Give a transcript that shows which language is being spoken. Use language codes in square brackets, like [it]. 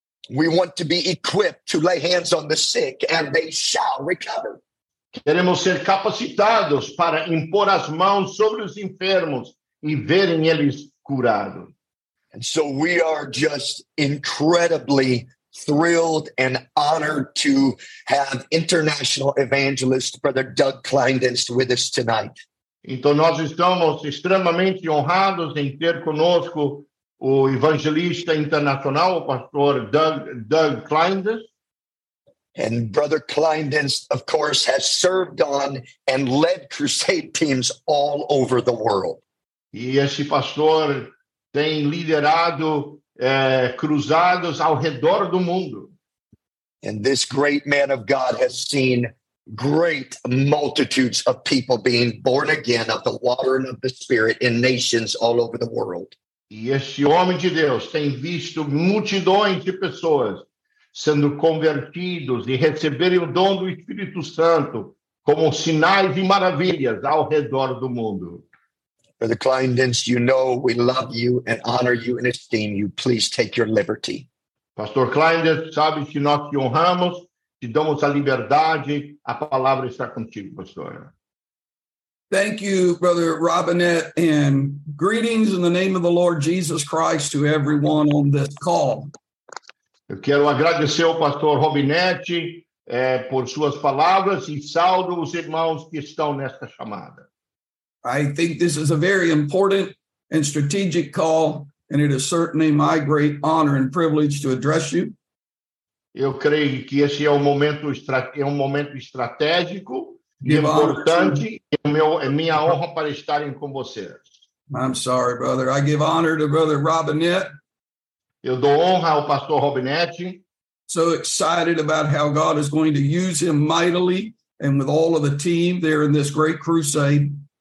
[en] We want to be equipped to lay hands on the sick and they shall recover. [pt] Queremos ser capacitados para impor as mãos sobre os enfermos e verem eles curados. [en] And so we are just incredibly thrilled and honored to have international evangelist Brother Doug Kleindienst with us tonight. [pt] Então nós estamos extremamente honrados em ter conosco o evangelista internacional, o pastor Doug Kleindienst. [en] And Brother Kleindienst, of course, has served on and led crusade teams all over the world. [pt] E esse pastor tem liderado cruzados ao redor do mundo. [en] And this great man of God has seen great multitudes of people being born again of the water and of the Spirit in nations all over the world. [pt] E esse homem de Deus tem visto multidões de pessoas sendo convertidos e receberem o dom do Espírito Santo como sinais e maravilhas ao redor do mundo. [en] Brother Kleindienst, you know we love you and honor you and esteem you. Please take your liberty. [pt] Pastor Kleindienst, sabe que nós te honramos, te damos a liberdade, a palavra está contigo, pastor. [en] Thank you, Brother Robinette, and greetings in the name of the Lord Jesus Christ to everyone on this call. [pt] Eu quero agradecer ao pastor Robinette por suas palavras e saúdo os irmãos que estão nesta chamada. [en] I think this is a very important and strategic call, and it is certainly my great honor and privilege to address you. [pt] Eu creio que esse é um momento estratégico e importante, é minha honra para estarem com vocês. [en] I'm sorry, brother. I give honor to Brother Robinette. [pt] Eu dou honra ao pastor Robinette. [en] So excited about how God is going to use him mightily and with all of the team there in this great crusade.